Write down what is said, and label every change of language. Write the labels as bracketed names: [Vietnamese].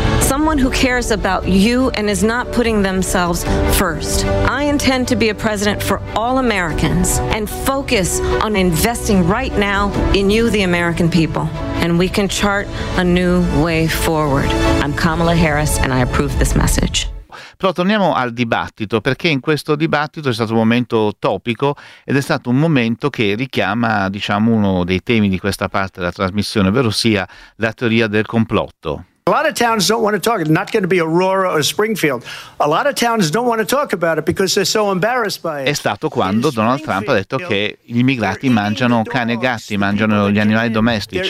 [English] Someone who cares about you and is not putting themselves first. I intend to be a president for all Americans and focus on investing right now in you, the American people. And we can chart a new way forward. I'm Kamala Harris and I approve this message. [Italian] Però torniamo al dibattito, perché in questo dibattito è stato un momento topico ed è stato un momento che richiama, diciamo, uno dei temi di questa parte della trasmissione, ovvero sia la teoria del complotto. [English] A lot of towns don't want to talk. It's not going to be Aurora or Springfield. A lot of towns don't want to talk about it because they're so embarrassed by it. [Italian] È stato quando Donald Trump ha detto che gli immigrati mangiano cani e gatti, mangiano gli animali domestici.